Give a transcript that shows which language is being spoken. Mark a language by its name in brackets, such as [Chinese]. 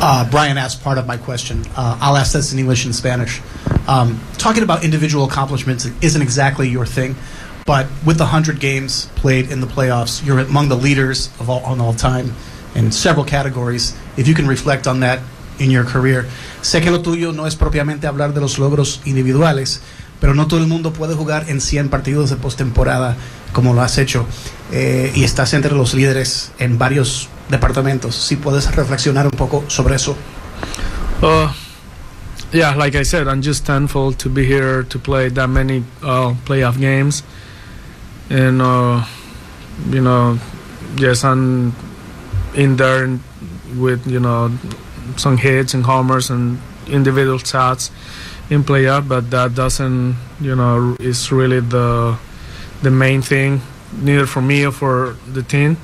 [English] Brian asked part of my question. I'll ask this in English and Spanish. Talking about individual accomplishments isn't exactly your thing, but with 100 games played in the playoffs, you're among the leaders of all time in several categories. If you can reflect on that in your career. [Spanish] Sé que lo tuyo no es propiamente hablar de los logros individuales, pero no todo el mundo puede jugar en 100 partidos de postemporada como lo has hecho. Y estás entre los líderes en varios departamentos. Si puedes reflexionar un poco sobre eso. [English] Yeah, like I said, I'm just thankful to be here to play that many playoff games. And, you know, yes, I'm in there with, you know, some hits and homers and individual stats in playoff, but that doesn't, you know, is really the main thing, neither for me or for the team.